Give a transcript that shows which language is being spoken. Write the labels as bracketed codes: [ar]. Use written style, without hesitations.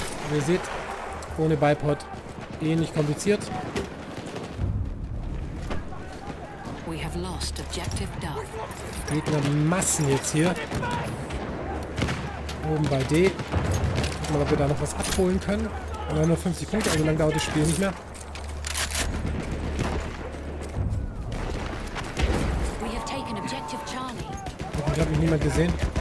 [de] Wie ihr seht, ohne Bipod ähnlich kompliziert. [en] We have lost objective Duff. [de] Gegner Massen jetzt hier. Oben bei D. Gucken wir, ob wir da noch was abholen können. Wir haben nur 50 Punkte, also lange dauert das Spiel nicht mehr. [en] We have taken objective Charlie. [de] Ich habe mich niemand gesehen.